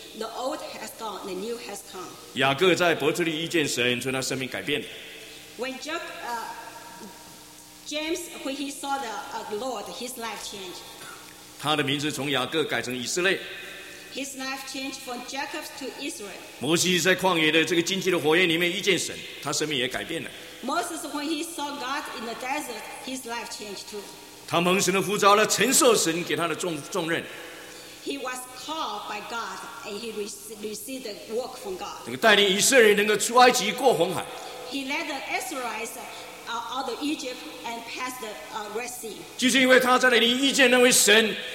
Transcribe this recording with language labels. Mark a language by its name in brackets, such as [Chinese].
[English] The old has gone, the new has come. [Chinese] 雅各在伯特利遇见神，从他生命改变。 [English] When James, when he saw the Lord, his life changed. [Chinese] 他的名字从雅各改成以色列。 [English] His life changed from Jacob to Israel. [Chinese] 摩西在旷野的这个荆棘的火焰里面遇见神，他生命也改变了。Moses, [English] when he saw God in the desert, his life changed too. [Chinese] 他蒙神的呼召了，承受神给他的重任。 [English] He was called by God, and he received the work from God. [Chinese] 能够带领以色列人能够出埃及过红海。 [English] He led the Israelites out of Egypt and past the Red Sea. [Chinese] 就是因为他在那里遇见那位神。